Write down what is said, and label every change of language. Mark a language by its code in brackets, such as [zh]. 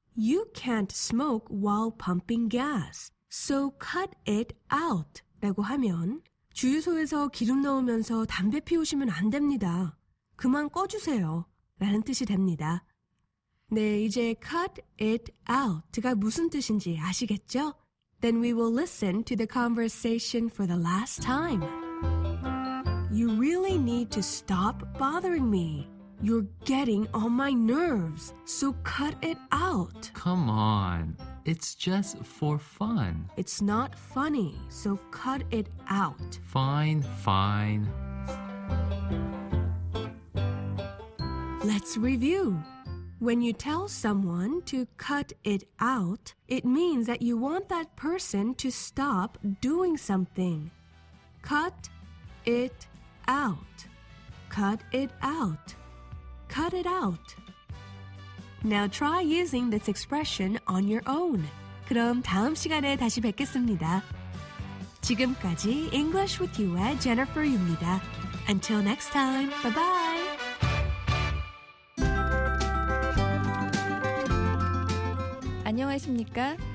[en] You can't smoke while pumping gas. So cut it out [ko] 라고 하면 주유소에서 기름 넣으면서 담배 피우시면 안 됩니다. 그만 꺼주세요 라는 뜻이 됩니다. 네, 이제 cut it out가 무슨 뜻인지 아시겠죠? [en] Then we will listen to the conversation for the last time. You really need to stop bothering me. You're getting on my nerves, so cut it out. Come on. It's just for fun. It's not funny, so cut it out. Fine, fine. Let's review. When you tell someone to cut it out, it means that you want that person to stop doing something. Cut it out. Cut it out. Cut it out. Now try using this expression on your own. [ko] 그럼 다음 시간에 다시 뵙겠습니다. 지금까지 English with You의 Jennifer 유입니다. [en] Until next time, bye-bye. [ko] ]안녕하십니까?